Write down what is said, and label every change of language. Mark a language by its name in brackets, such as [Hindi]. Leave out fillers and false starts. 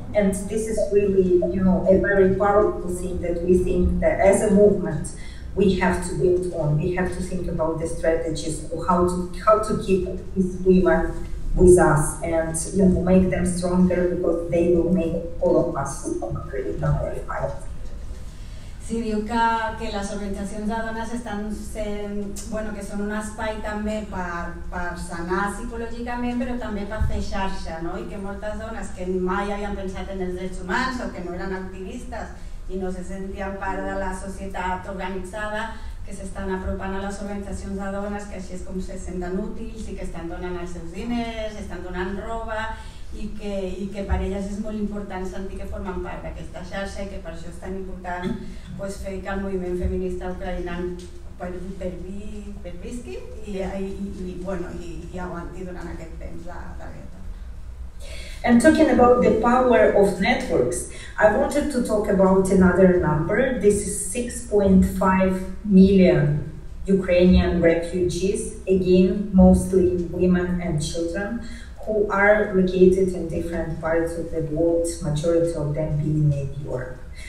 [English] And this is really, you know, a very powerful thing that we think that as a movement we have to build on. We have to think about the strategies of how to keep these women with us and, you know, make them stronger, because they will make all of us stronger in a very high. [Catalan] Sí, diu que les organitzacions de dones estan sent, bueno, que són un espai també per sanar psicològicament, però també per fer xarxa, no? I que moltes dones que mai havien pensat en els drets humans o que no eren activistes i no se sentien part de la societat organitzada, que s'estan apropant a les organitzacions de dones, que així és com se senten útils i que estan donant els seus diners, estan donant roba, i que per elles és molt important sentir que formen part d'aquesta xarxa i que per això és tan important, pues, fer que el moviment feminista ucraïnà pervisqui i aguanti durant aquest temps la guerra. [English] And talking about the power of networks, I wanted to talk about another number. This is 6.5 million Ukrainian refugees, again, mostly women and children, who are located in different parts of the world, majority of them being in Europe.